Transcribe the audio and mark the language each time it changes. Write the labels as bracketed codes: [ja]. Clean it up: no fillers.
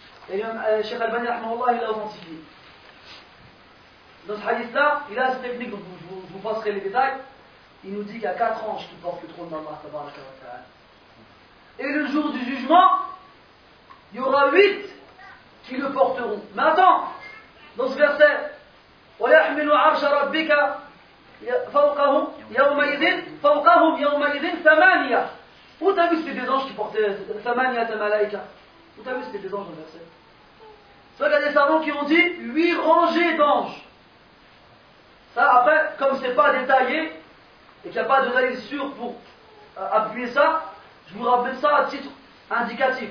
[fr] Et l'imam Cheikh Al-Bani, rahmahullah, il l'a authentifié. Dans ce hadith-là, il a cette technique, donc vous passerez les détails. Il nous dit qu'il y a 4 anges qui portent le trône d'Allah, tabaraka wa ta'ala. Et le jour du jugement, il y aura 8 qui le porteront. Mais attends, dans ce verset, [ar] وَيَحْمِلُ عَرْشَ رَبِّكَ فَوْقَهُمْ يَوْمَئِذٍ فَوْقَهُمْ يَوْمَئِذٍ ثَمَانِيَ. [fr] Où t'as vu c'était des anges qui portaient [ar] ثَمَانِيَ تَمَلَائِكَ? [fr] Où t'as vu c'était des anges dans le verset? Tu vois qu'il y a des savants qui ont dit 8 rangées d'anges. Ça, après, comme c'est pas détaillé, et qu'il n'y a pas de réalité sûre pour appuyer ça, je vous rappelle ça à titre indicatif.